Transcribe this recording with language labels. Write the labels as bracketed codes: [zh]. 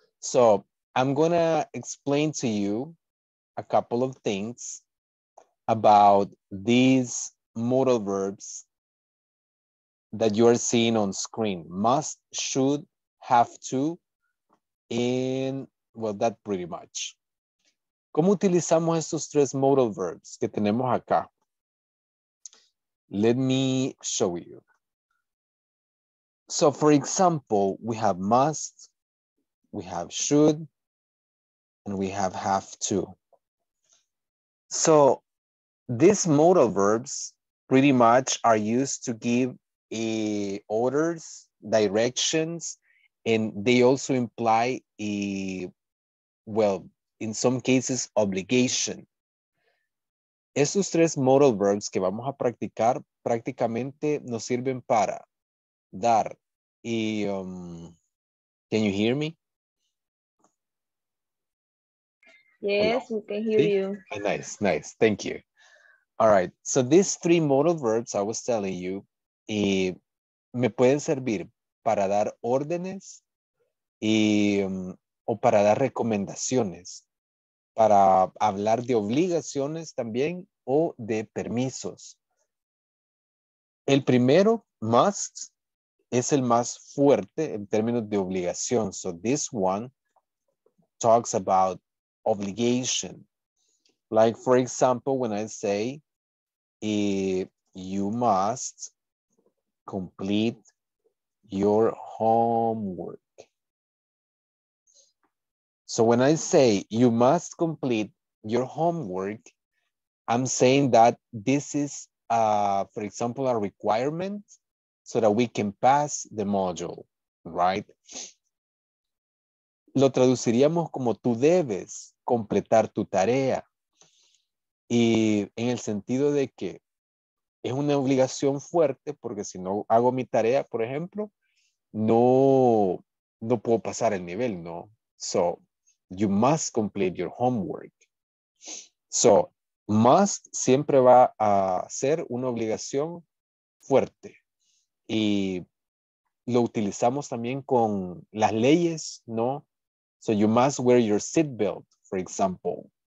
[en] So I'm gonna explain to you a couple of things about these modal verbs that you are seeing on screen. Must, should, have to, and well, that pretty much. [es] ¿Cómo utilizamos estos tres modal verbs que tenemos acá? [en] Let me show you. So for example, we have must, we have should, and we have to. So these modal verbs pretty much are used to give orders, directions, and they also imply in some cases, obligation. [es] Esos tres modal verbs que vamos a practicar prácticamente nos sirven para dar. [en] Can you hear me? Yes, we can hear you. Nice, thank you. All right, so these three modal verbs I was telling you, [es] me pueden servir para dar órdenes o para dar recomendaciones, para hablar de obligaciones también o de permisos. El primero, must, es el más fuerte en términos de obligación. [en] So this one talks about obligation. Like, for example, when I say, you must complete your homework. So when I say you must complete your homework, I'm saying that this is, for example, a requirement so that we can pass the module, right? [es] Lo traduciríamos como tú debes completar tu tarea. Y en el sentido de que es una obligación fuerte, porque si no hago mi tarea, por ejemplo, no puedo pasar el nivel, ¿no? [en] So, you must complete your homework. So, must [es] siempre va a ser una obligación fuerte. Y lo utilizamos también con las leyes, ¿no? [en] So, you must wear your seatbelt, for example.